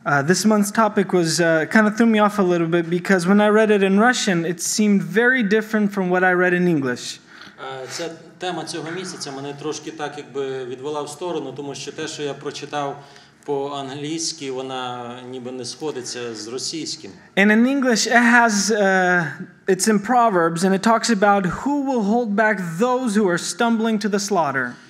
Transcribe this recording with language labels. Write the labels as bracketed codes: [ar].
[en] This month's topic was kind of threw me off a little bit because when I read it in Russian, it seemed very different from what I read in English. [uk] Ця тема цього місяця мене трошки так якби відвела в сторону, тому що те, що я прочитав по-англійськи, вона ніби не сходиться з російським. [en] And in English it has it's in Proverbs and it talks about who will hold back those who are stumbling to the slaughter.